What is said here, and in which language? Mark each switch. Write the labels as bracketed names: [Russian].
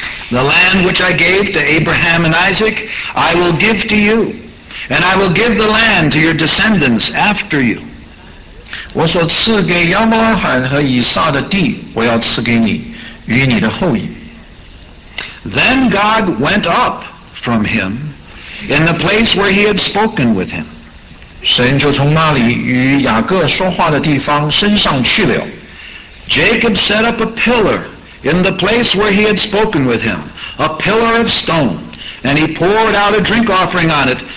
[English] The land which I gave to Abraham and Isaac, I will give to you. And I will give the land to your descendants after you. [Chinese] 我所赐给亚伯拉罕和以撒的地，我要赐给你，与你的后裔。 [English] Then God went up from him in the place where he had spoken with him. [Chinese] 神就从那里与雅各说话的地方升上去了。 [English] Jacob set up a pillar in the place where he had spoken with him, a pillar of stone, and he poured out a drink offering on it.